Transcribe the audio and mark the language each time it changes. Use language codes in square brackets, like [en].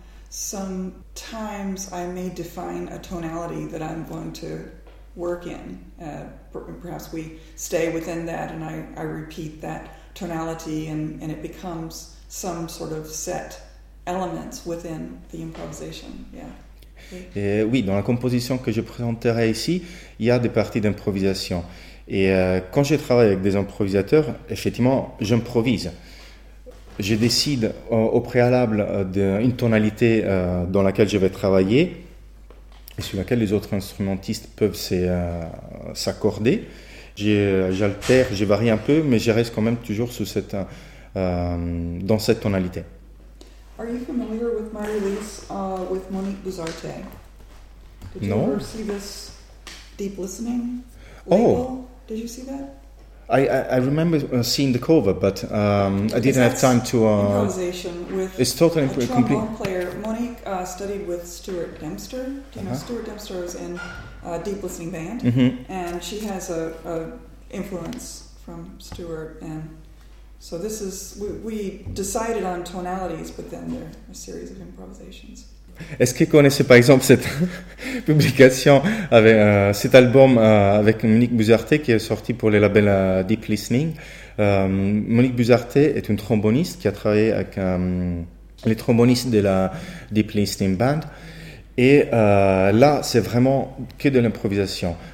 [en] Sometimes I may define a tonality that I'm going to work in. Perhaps we stay within that and I repeat that tonality and it becomes some sort of set elements within the improvisation. Yeah. [fr] Et oui, dans la composition que je présenterai ici, il y a des parties d'improvisation. Et quand je travaille avec des improvisateurs, effectivement, j'improvise. Je décide au préalable d'une tonalité dans laquelle je vais travailler et sur laquelle les autres instrumentistes peuvent s'accorder. J'altère, je varie un peu, mais je reste quand même toujours sous dans cette tonalité. [en] Are you familiar with my release with Monique Buzarte? No. Did you ever see this deep listening label? Oh. Did you see that? I remember seeing the cover, but I didn't have time to... Improvisation with it's totally a trombone player. Monique studied with Stuart Dempster. Do you know Stuart Dempster is in a deep listening band? Mm-hmm. And she has a influence from Stuart and... So this is we decided on tonalities, but then there a series of improvisations. [fr] Est-ce que vous connaissez par exemple cette publication avec cet album avec Monique Buzarte qui est sorti pour le label Deep Listening? Monique Buzarte est une tromboniste qui a travaillé avec les trombonistes de la Deep Listening Band, et là c'est vraiment que de l'improvisation.